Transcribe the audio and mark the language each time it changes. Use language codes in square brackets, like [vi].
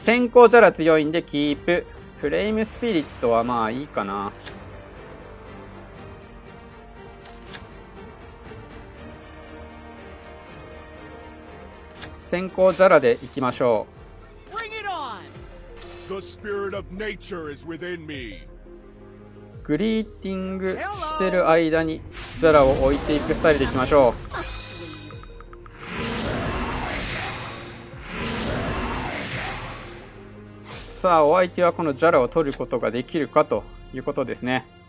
[ja] 先行ジャラ強いんでキープ。フレイムスピリットはまあいいかな。先行ザラで行きましょう。 [en] Bring it on! The spirit of nature is within me. [ja] グリーティングしてる間にザラを置いていくスタイルで行きましょう。さあ、お相手はこのザラを取ることができるかということですね。